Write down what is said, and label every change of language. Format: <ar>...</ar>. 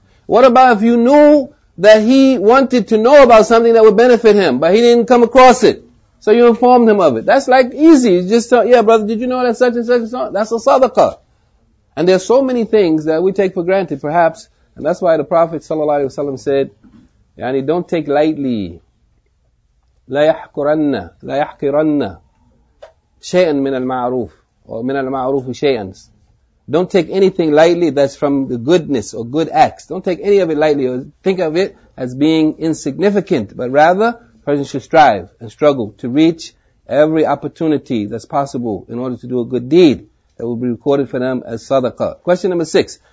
<en>What about if you knew that he wanted to know about something that would benefit him, but he didn't come across it? So you informed him of it. That's like easy. You just tell, yeah, brother, did you know that such and such is not? That's a sadaqah. And there's so many things that we take for granted, perhaps. And that's why the Prophet sallallahu alaihi wasallam said, yani, don't take lightly.</en> <ar>لا يحقرن, لا يحقرن شيئا من المعروف,</ar> <en>or</en> <ar>من المعروف شيئا.</ar> <en>Don't take anything lightly that's from the goodness or good acts. Don't take any of it lightly or think of it as being insignificant. But rather, a person should strive and struggle to reach every opportunity that's possible in order to do a good deed that will be recorded for them as sadaqah. Question number 6.</en>